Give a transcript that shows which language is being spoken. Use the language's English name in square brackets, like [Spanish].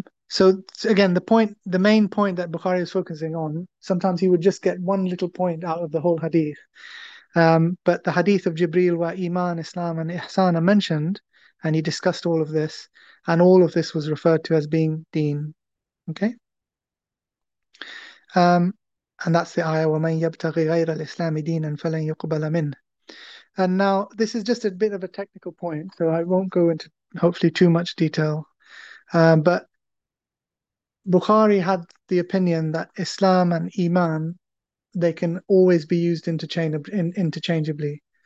[English] So again, the main point that Bukhari is focusing on, sometimes he would just get one little point out of the whole hadith. But the hadith of Jibril, where Iman, Islam, and Ihsan are mentioned, and he discussed all of this, and all of this was referred to as being deen. Okay. And that's the ayah, [Arabic] وَمَنْ يَبْتَغِ غَيْرَ الْإِسْلَامِ دِينًا فَلَنْ يُقْبَلَ مِنْهُ. [English] And now, this is just a bit of a technical point, so I won't go into hopefully too much detail. But Bukhari had the opinion that Islam and Iman, they can always be used interchangeably.